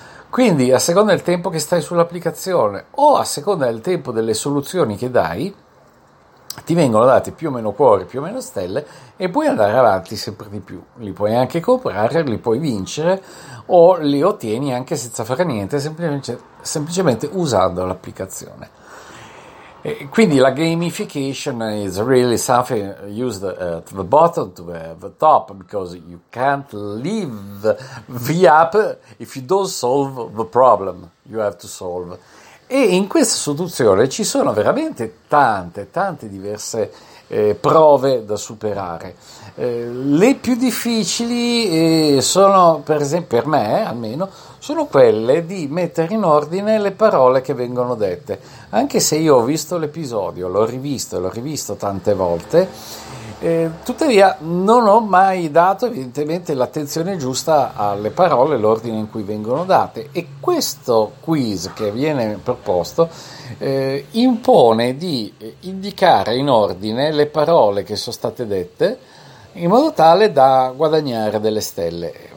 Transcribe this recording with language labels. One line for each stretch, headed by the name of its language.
Italian: Quindi a seconda del tempo che stai sull'applicazione o a seconda del tempo delle soluzioni che dai, ti vengono dati più o meno cuori, più o meno stelle e puoi andare avanti sempre di più. Li puoi anche comprare, li puoi vincere o li ottieni anche senza fare niente, semplicemente usando l'applicazione. E quindi la gamification
English: is really something used at the bottom to the top, because you can't leave the app if you don't solve the problem you have to solve.
Italian: E in questa soluzione ci sono veramente tante diverse prove da superare. Le più difficili sono, per esempio, per me almeno, sono quelle di mettere in ordine le parole che vengono dette. Anche se io ho visto l'episodio, l'ho rivisto tante volte, tuttavia non ho mai dato evidentemente l'attenzione giusta alle parole, l'ordine in cui vengono date, e questo quiz che viene proposto impone di indicare in ordine le parole che sono state dette in modo tale da guadagnare delle stelle.